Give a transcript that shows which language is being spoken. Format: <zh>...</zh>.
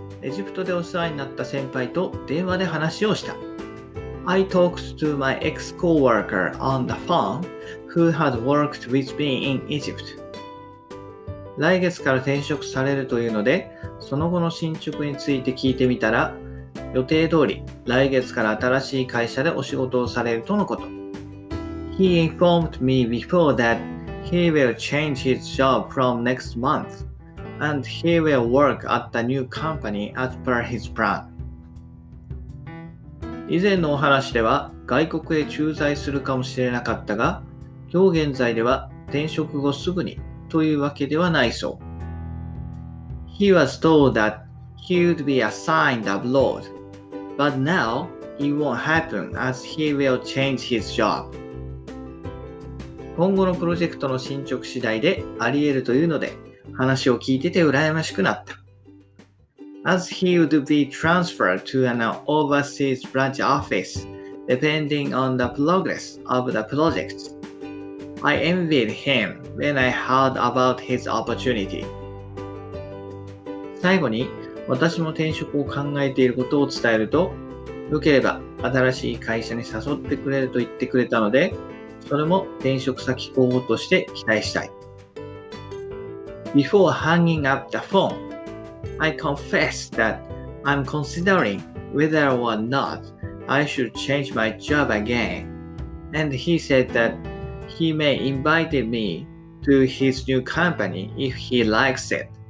<ja>ジプトでお世話になった先輩と電話で話をした。</ja> <en>I talked to my ex-coworker on the phone who had worked with me in Egypt.</en> <ja>来月から転職されるというので、その後の進捗について聞いてみたら、予定通り来月から新しい会社でお仕事をされるとのこと。</ja> <en>He informed me before that he will change his job from next month and he will work at the new company as per his plan.</en> <ja>以前のお話では外国へ駐在するかもしれなかったが、今日現在では転職後すぐにというわけではないそう。</ja> <en>He was told that he would be assigned abroad, but now it won't happen as he will change his job.</en> <ja>今後のプロジェクトの進捗次第であり得るというので、話を聞いてて羨ましくなった。</ja> <en>As he would be transferred to an overseas branch office depending on the progress of the project, I envied him when I heard about his opportunity.</en> <ja>最後に、私も転職を考えていることを伝えると、よければ新しい会社に誘ってくれると言ってくれたので、それも転職先候補として期待したい。</ja> <en>Before hanging up the phone, I confessed that I'm considering whether or not I should change my job again, and he said that he may invite me to his new company if he likes it.</en>